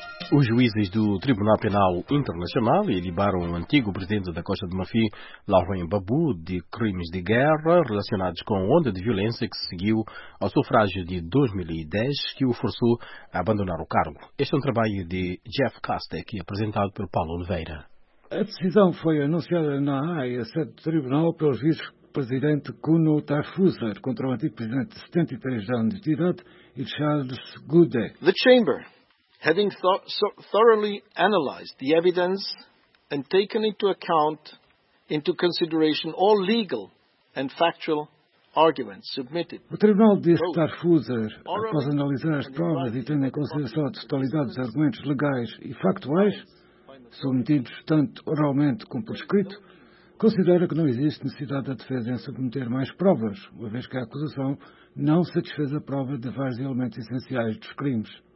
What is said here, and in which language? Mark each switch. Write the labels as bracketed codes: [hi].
[pt] Os juízes do Tribunal Penal Internacional libraram o antigo presidente da Costa do Marfim, Laurent Gbagbo, de crimes de guerra relacionados com a onda de violência que seguiu ao sufrágio de 2010, que o forçou a abandonar o cargo. Este é um trabalho de Jeff Kastek, apresentado por Paulo Oliveira. A decisão foi anunciada na Haia, sede do tribunal, pelo vice-presidente Kuno Tafuzer, contra o antigo presidente de 73 anos de idade, e Charles Goudet. [en] The Chamber. Having thoroughly analyzed the evidence and taken into account, into consideration all legal and factual arguments submitted. [pt] O tribunal disse que Tafuzer, após analisar as provas e tendo em consideração a totalidade dos argumentos legais e factuais, submetidos tanto oralmente como por escrito, considera que não existe necessidade da defesa em submeter mais provas, uma vez que a acusação não satisfez a prova de vários elementos essenciais dos crimes.